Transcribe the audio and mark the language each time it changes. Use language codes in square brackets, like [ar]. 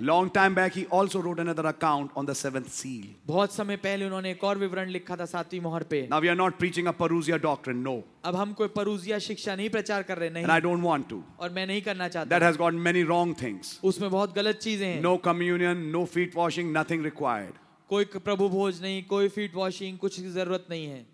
[en] Long time back he also wrote another account on the seventh seal. [hi] बहुत समय पहले उन्होंने एक और विवरण लिखा था सातवीं मोहर पे. [en] Now we are not preaching a parousia doctrine. No. [hi] अब हम कोई परूजिया शिक्षा नहीं प्रचार कर रहे. नहीं. [en] And I don't want to. [hi] और मैं नहीं करना चाहता. [en] That has got many wrong things. [hi] उसमें बहुत गलत चीजें हैं. [en] No communion, no feet washing, nothing required. [hi] कोई प्रभु भोज नहीं, कोई फीट वॉशिंग, कुछ की जरूरत नहीं है.